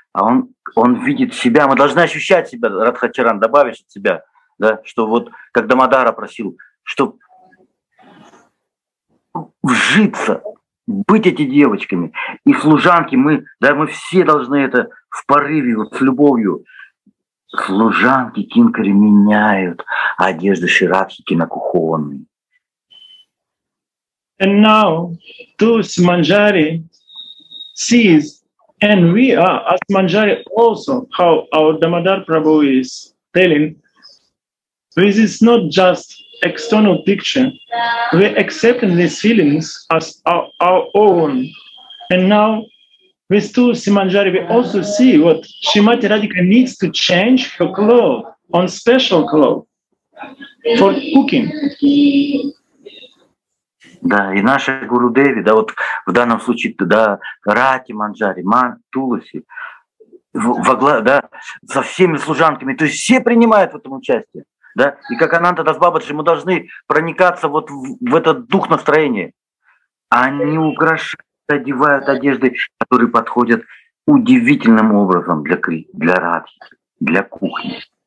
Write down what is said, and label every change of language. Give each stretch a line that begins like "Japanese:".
Russian: А он видит себя, мы должны ощущать себя, Радхачаран, добавишь от себя, да, что вот, как Дамодара просил, чтобы вжиться, быть эти девочками. И служанки, мы, да, мы все должны это в порыве, вот с любовью. Служанки кинкари меняют одежды ширадхики на кухонные.
English: And now Tulsi Manjari sees, and we are as Manjari also, how our Damodar Prabhu is telling, this is not just external picture. We accepting these feelings as our own. And now with Tulsi Manjari, we also see what Srimati Radhika needs to change her clothes on special clothes for cooking.
Russian: Да, и наши Гуру Деви, да, вот в данном случае, да, Рати Манджари, Туласи, да, со всеми служанками, то есть все принимают в этом участие, да, и как Ананта Дас Бабаджи, мы должны проникаться вот в этот дух настроения, а не украшают, одевают одежды, которые подходят удивительным образом для Радхи, для кухни.